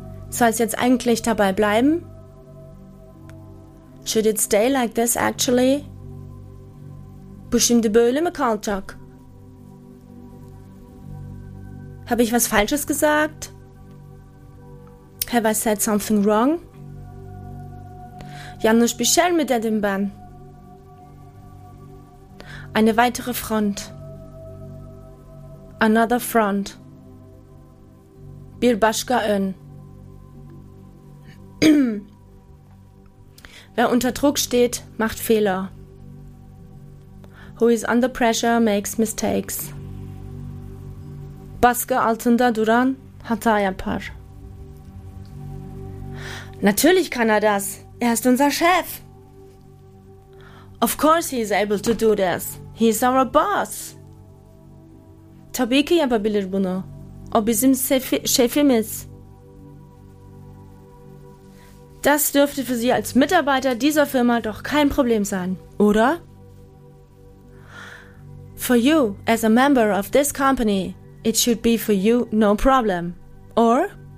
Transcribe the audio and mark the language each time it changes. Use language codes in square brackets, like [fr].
[de] Soll's jetzt eigentlich dabei bleiben? [en] Should it stay like this actually? [tr] Bu şimdi böyle mi kalacak? [de] Habe ich was Falsches gesagt? [en] Have I said something wrong? [tr] Yanlış bir şey mi dedim ben? [de] Eine weitere Front. [en] Another Front. [tr] Bir başka ön. [de] Wer unter Druck steht, macht Fehler. [en] Who is under pressure makes mistakes. [tr] Baskı altında duran hata yapar. [de] Natürlich kann er das. Er ist unser Chef. [en] Of course he is able to do this. He is our boss. [tr] Tabii ki yapabilir bunu. O bizim şefimiz. [de] Das dürfte für Sie als Mitarbeiter dieser Firma doch kein Problem sein, oder? [en] For you, as a member of this company, it should be for you no problem, or?